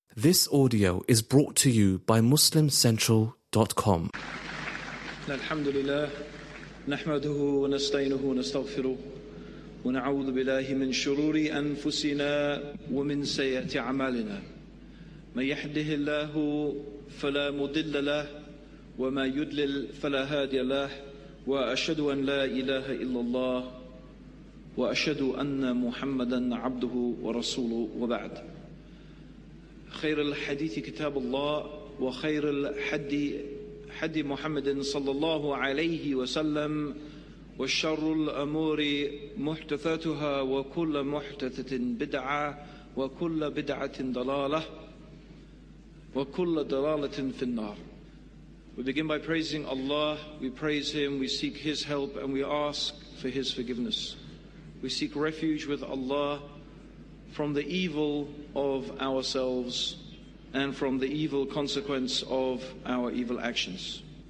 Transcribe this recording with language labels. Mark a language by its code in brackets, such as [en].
[en] This audio is brought to you by MuslimCentral.com. [ar] Alhamdulillah, نحمده ونستعينه ونستغفره ونعوذ بالله من شرور أنفسنا ومن سيئات أعمالنا. من يهده الله فلا مضل له وما يضلل فلا هادي له وأشهد أن لا إله إلا الله وأشهد أن محمدا عبده ورسوله وبعد. خير الحديث كتاب الله وخير الحدي حدي محمد صلى الله عليه وسلم وشر الأمور محدثاتها وكل محدثة بدعة وكل بدعة ضلالة وكل ضلالة في النار. [en] We begin by praising Allah. We praise Him. We seek His help and we ask for His forgiveness. We seek refuge with Allah from the evil of ourselves and from the evil consequence of our evil actions.